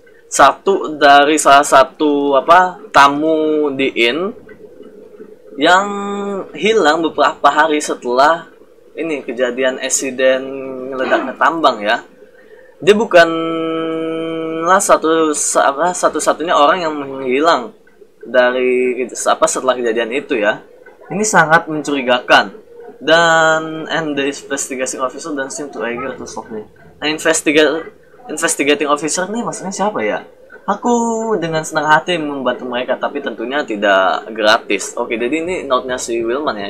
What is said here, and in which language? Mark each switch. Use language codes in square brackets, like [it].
[id] Satu dari salah satu apa tamu di inn yang hilang beberapa hari setelah ini kejadian insiden ledaknya tambang ya. Dia bukanlah satu-satunya orang yang menghilang dari apa setelah kejadian itu ya, ini sangat mencurigakan. Dan [en] and the investigating officer doesn't seem to agree to solve it. [id] Nah, investigating officer nih maksudnya siapa ya? Aku dengan senang hati membantu mereka, tapi tentunya tidak gratis. Oke, jadi ini note-nya si Wilman ya.